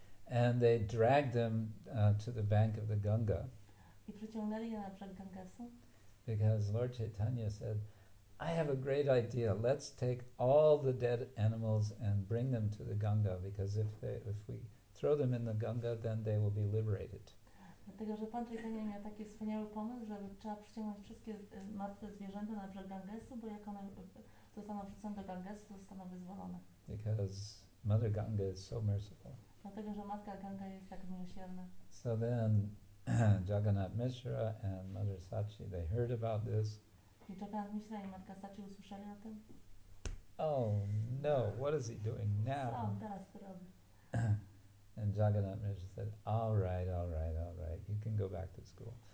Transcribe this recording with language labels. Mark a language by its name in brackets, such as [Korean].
[English] And they dragged them to the bank of the Ganga. [Polish] I przyciągnęli je na brzeg Gangesu. [English] Because Lord Chaitanya said, I have a great idea. Let's take all the dead animals and bring them to the Ganga, because if we throw them in the Ganga, then they will be liberated. [Polish] Dlatego, że Pan Chaitanya miał taki wspaniały pomysł, że trzeba przyciągnąć wszystkie martwe zwierzęta na brzeg Gangesu, bo jak one zostaną wrzucone do Gangesu, zostaną wyzwolone. [English] Because Mother Ganga is so merciful. [Polish] Dlatego, że Matka Ganga jest tak miłosierna. [English] So then Jagannath Mishra and Mother Sachi, they heard about this. [Polish] I Jagannath Mishra i Matka Sachi usłyszeli o tym. [English] Oh no, what is he doing now? [Polish] Co on teraz to robi? [English] And Jagannath Mishra said, all right, all right, all right, you can go back to school.